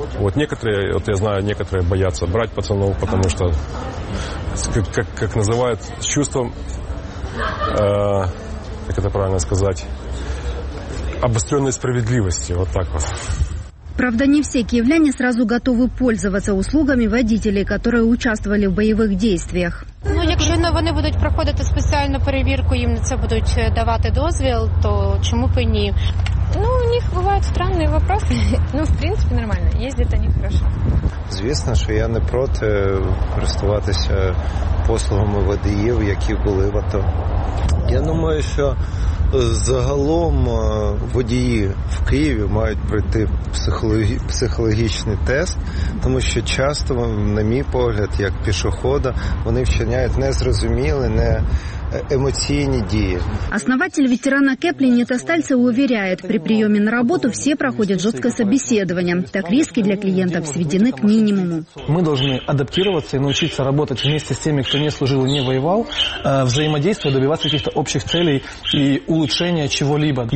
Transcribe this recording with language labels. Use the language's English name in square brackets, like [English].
[Russian] Вот некоторые, вот я знаю, некоторые боятся брать пацанов, потому что, как называют, с чувством, как это правильно сказать, обостренной справедливости, вот так вот. Правда, не все киевляне сразу готовы пользоваться услугами водителей, которые участвовали в боевых действиях. [Ukrainian] Ну, якщо вони будуть проходити спеціальну перевірку, їм на це будуть давати дозвіл, то чому б і ні? Ну, у них бувають странні питання. Ну, в принципі, нормально. Їздять вони добре. Звісно, що я не проти користуватися послугами водіїв, які були в АТО. Я думаю, що загалом водії в Києві мають пройти психологічний тест, тому що часто, на мій погляд, як пішохода, вони вчиняють незрозумілі, [Russian] не эмоциональные действия. Основатель ветерана Кеплин Нетостальца уверяет, при приеме на работу все проходят жесткое собеседование. Так риски для клиентов сведены к минимуму. Мы должны адаптироваться и научиться работать вместе с теми, кто не служил и не воевал, взаимодействовать, добиваться каких-то общих целей и улучшения чего-либо.